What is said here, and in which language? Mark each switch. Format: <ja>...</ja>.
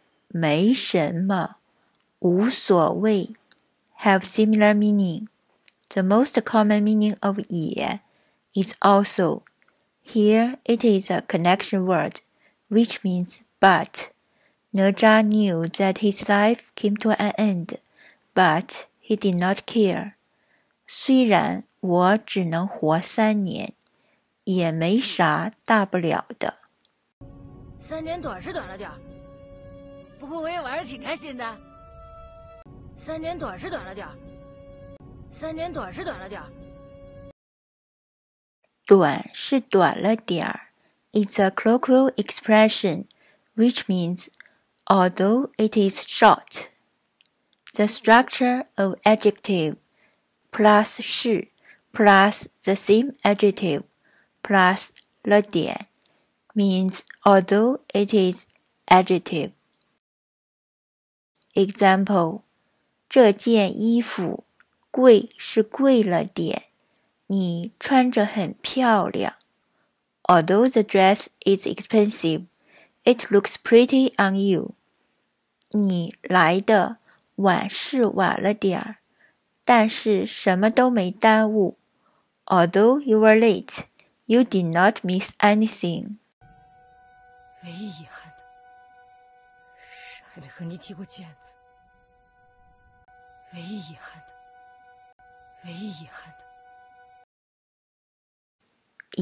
<en>没什么，无所谓 have similar meaning. The most common meaning of 也 is also. Here it is a connection word, which means but. 哪吒 knew that his life came to an end, but he did not care.</en> <zh>虽然我只能活三年，也没啥大不了的。三年短是短了点不过我也玩得挺开心的。三年短是短了点三年短是短了点</zh> <en>短是短了点 It's a colloquial expression, which means, although it is short. The structure of adjective plus 是 plus the same adjective plus 了点 means, although it is adjective. Example,</en> <zh>这件衣服贵是贵了点，你穿着很漂亮。</zh> <en>Although the dress is expensive, it looks pretty on you.</en> <zh>你来的晚是晚了点，但是什么都没耽误。</zh> <en>Although you were late, you did not miss anything.</en> <zh>唯一遗憾的是还没和你提过毽子。唯一遗憾的，唯一遗憾的。</zh>